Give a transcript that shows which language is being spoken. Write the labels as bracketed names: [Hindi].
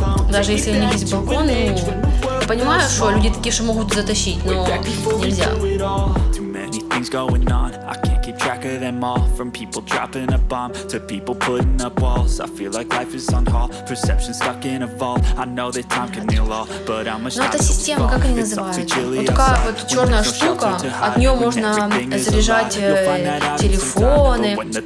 [Russian] Даже если у них есть балкон, ну, я понимаю, что люди такие же могут затащить, но нельзя. [English] Going on, I can't keep track of them all. From people dropping a bomb to people putting up walls, I feel like life is on hold. Perception stuck in a vault. I know that time can heal all, but how much time will we fall? It's all too chilly outside. [Russian] Вот такая вот черная штука, от нее можно заряжать телефоны.